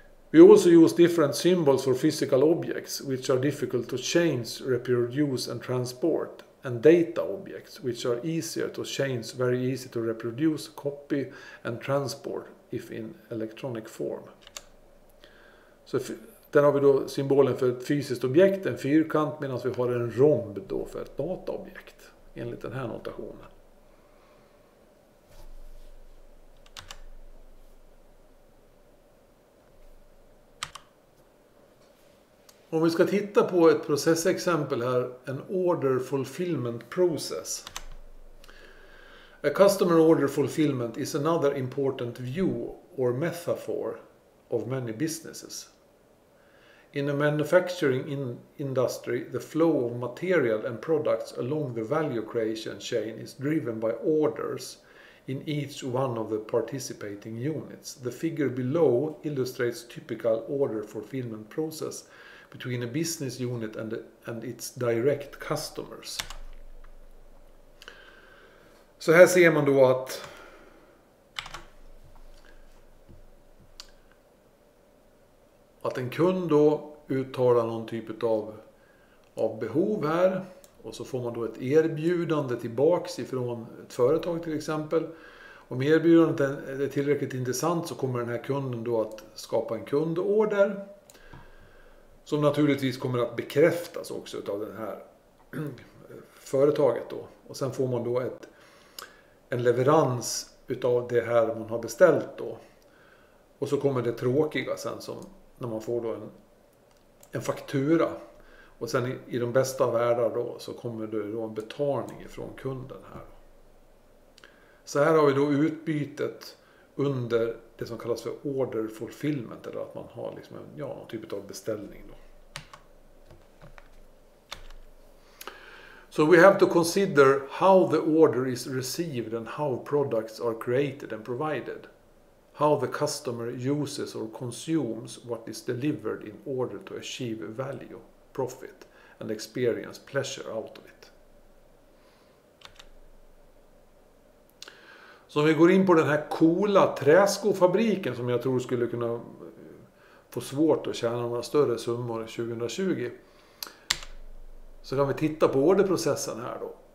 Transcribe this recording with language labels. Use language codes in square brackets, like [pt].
[en] We also use different symbols for physical objects, which are difficult to change, reproduce and transport, and data objects, which are easier to change, very easy to reproduce, copy and transport, if in electronic form. [sv] Så där har vi då symbolen för ett fysiskt objekt, en fyrkant, medan vi har en romb då för ett dataobjekt, enligt den här notationen. Om vi ska titta på ett processexempel här, en order fulfillment process. [en] A customer order fulfillment is another important view or metaphor of many businesses. In a manufacturing industry, the flow of material and products along the value creation chain is driven by orders in each one of the participating units. The figure below illustrates typical order fulfillment process between a business unit and its direct customers. [sv] Så här ser man då att en kund då uttalar någon typ av behov här, och så får man då ett erbjudande tillbaks ifrån ett företag till exempel. Om erbjudandet är tillräckligt intressant, så kommer den här kunden då att skapa en kundorder, som naturligtvis kommer att bekräftas också av det här företaget då. Och sen får man då en leverans utav det här man har beställt då. Och så kommer det tråkiga sen, som när man får då en faktura. Och sen i de bästa världar då, så kommer det då en betalning från kunden här. Så här har vi då utbytet under det som kallas för order fulfillment, eller att man har liksom en, ja, någon typ av beställning då. [en] So we have to consider how the order is received and how products are created and provided. How the customer uses or consumes what is delivered in order to achieve value, profit and experience pleasure out of it. [sv] Så om vi går in på den här coola träskofabriken, som jag tror skulle kunna få svårt att tjäna några större summor 2020. Så kan vi titta på orderprocessen här då.